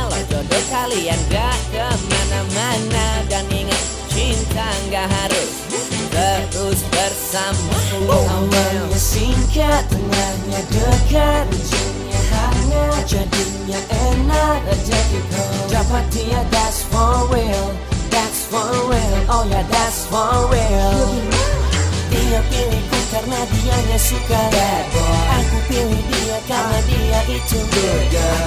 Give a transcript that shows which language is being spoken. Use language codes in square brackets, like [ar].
[id] Jodoh kalian gak kemana-mana. Dan ingat, cinta gak harus terus bersama. Awalnya singkat, tengahnya dekat, ujungnya hangat, jadinya enak. Dapat dia, [en] that's for real, that's for real, oh yeah, that's for real. [id] Dia pilihku karena dia gak suka bad boy. Aku pilih dia karena dia itu good girl.